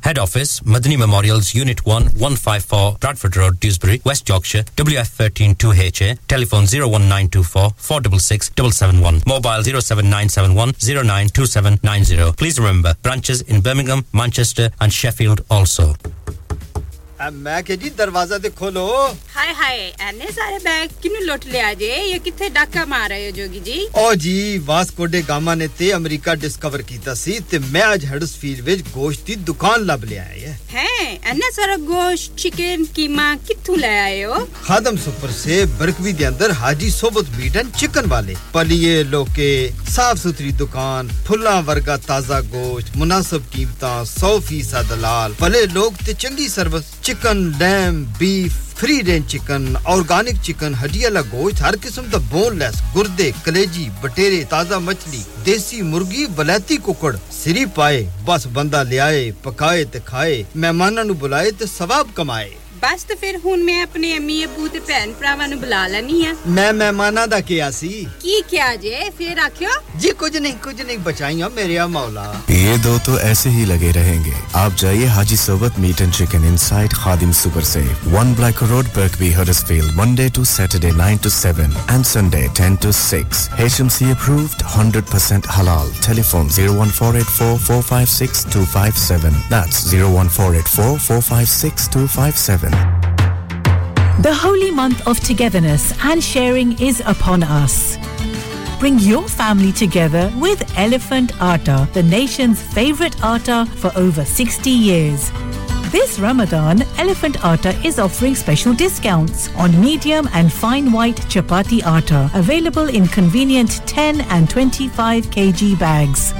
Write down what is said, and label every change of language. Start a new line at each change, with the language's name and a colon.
English: head office Madani memorials unit 1 154 Bradford road Dewsbury West Yorkshire WF13 2HA telephone 01924 466771 mobile 07971092790 please remember branches in Birmingham Manchester and Sheffield also
Punjabi: میں کہ جی دروازہ تے کھولو ہائے ہائے اینے سارے bag کینوں لوٹ لیا جے یہ کتھے ڈاکہ مار رہے ہو جوگی جی او جی واسکو ڈی گاما نے تے امریکہ ڈسکور کیتا سی تے میں اج ہڈس فیلڈ وچ گوشت دی دکان لب لے آئے ہیں اینے سارا گوشت چکن کیما کتھوں لے آئے ہو خادم سپر سے برکوی دے اندر حاجی صوبت میٹن چکن والے پلیے لوکے صاف ستھری دکان پھلاں ورگا تازہ گوشت مناسب قیمتاں 100% دلال پلے لوگ تے چنگی service
English: Chicken, lamb, beef.
Punjabi: Free range chicken organic chicken ہڈی والا گوشت ہر قسم دا بون لیس گردے کلیجی بٹیرے تازہ مچھلی دیسی مرغی بلیتی ککڑ سری پائے بس بندہ لیائے پکائے تے کھائے مہماناں نوں بلائے تے ثواب کمائے بس تے پھر ہن میں اپنے امی ابو تے بھن بھراواں نوں بلا لینی ہاں میں مہماناں دا کیا سی کی کیا جے پھر آکھیو جی کچھ نہیں بچائیاں میرے مولا
Urdu: یہ دو تو ایسے ہی لگے رہیں گے آپ جائیے
English: Haji Sobat meat and chicken inside Khadim super سے one block Road Berkby Huddersfield Monday to Saturday 9 to 7 and Sunday 10 to 6 HMC approved 100% halal telephone 01484456257 that's 01484456257 The holy month of togetherness and sharing is upon us Bring your family together with Elephant Atta the nation's favorite atta for over 60 years This Ramadan, Elephant Atta is offering special discounts on medium and fine white chapati atta, available in convenient 10 and 25 kg bags.